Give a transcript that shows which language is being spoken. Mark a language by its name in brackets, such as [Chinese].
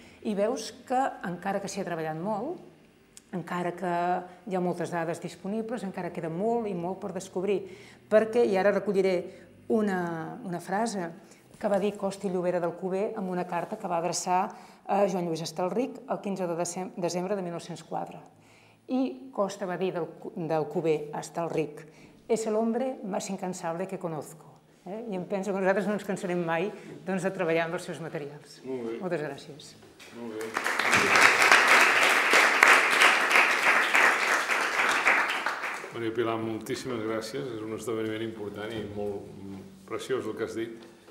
[Catalan] I veus que, encara que s'hi ha treballat molt, encara que hi ha moltes dades disponibles, encara queda molt i molt per descobrir. Perquè, i ara recolliré una frase que va dir Costa i Llobera del Cuber en una carta que va adreçar a Joan Lluís Estelric el 15 de desembre de 1904. I Costa va dir del Cuber a Estelric: [Spanish] «Es el hombre más incansable que conozco». [Catalan] I em penso que nosaltres no ens cansarem mai doncs, de treballar amb els seus materials. Molt bé. Moltes gràcies. Molt bé. Maria Pilar, moltíssimes gràcies. És un esdeveniment important i molt preciós el que has dit.